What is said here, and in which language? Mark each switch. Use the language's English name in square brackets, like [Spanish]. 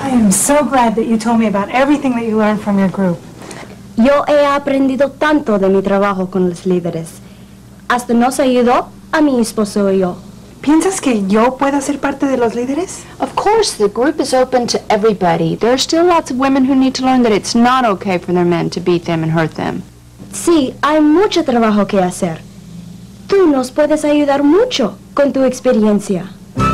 [English] So glad that you told me about everything that you learned from your group. [Spanish] Yo he aprendido tanto de mi trabajo con los líderes. Hasta nos ayudó a mi esposo y yo. ¿Piensas que yo pueda ser parte de los líderes? [English] Of course, the group is open to everybody. There are still lots of women who need to learn that it's not okay for their men to beat them and hurt them. [Spanish] Sí, hay mucho trabajo que hacer. Tú nos puedes ayudar mucho con tu experiencia.